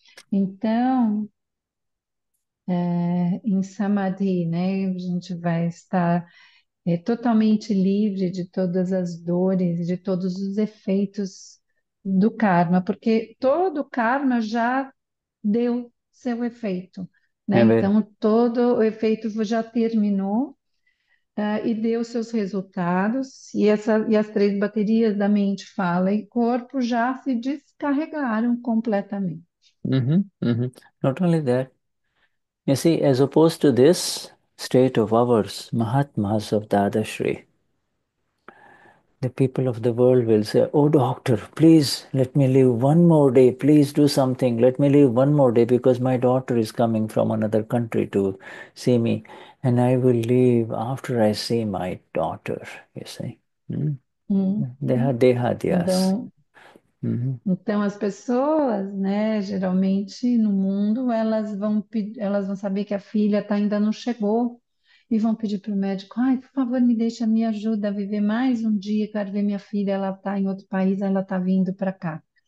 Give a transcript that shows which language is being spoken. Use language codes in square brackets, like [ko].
[pt] Então, em Samadhi, né, a gente vai estar totalmente livre de todas as dores, de todos os efeitos do karma, porque todo karma já deu seu efeito, né? Então, todo o efeito já terminou. E deu seus resultados, e as três baterias da mente, fala e corpo já se descarregaram completamente. [en] Not only that, you see, as opposed to this state of ours, Mahatmas of Dadashri, the people of the world will say, oh doctor, please let me live one more day, please do something, let me live one more day because my daughter is coming from another country to see me. And I will leave after I see my daughter, you see. Deha, deha, yes. [pt] Então, as pessoas, né, geralmente no mundo, elas vão saber que a filha tá, ainda não chegou e vão pedir para o médico: ai, por favor, me deixa, me ajuda a viver mais um dia, quero ver minha filha, ela está em outro país, ela está vindo para cá.